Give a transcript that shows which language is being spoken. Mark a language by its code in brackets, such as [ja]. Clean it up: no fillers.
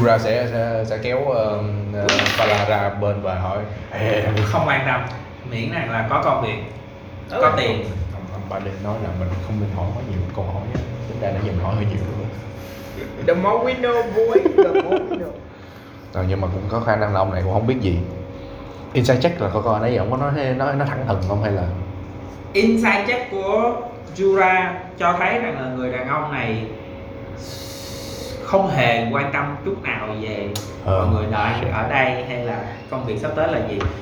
[vi] Yura sẽ kéo Pala ra bên và hỏi. Không quan tâm. Miễn rằng là có công việc, có tiền. Bà định nói là mình không nên hỏi quá nhiều câu hỏi. Chúng ta đã dừng hỏi hơi nhiều rồi. [en] The more we know, boy. The more we know. [vi] Nhưng mà cũng có khả năng là ông này cũng không biết gì. Inside check là có anh ấy không có nói thẳng thừng không hay là inside check của Jura cho thấy rằng là người đàn ông này không hề quan tâm chút nào về người đợi ở đây hay là công việc sắp tới là gì.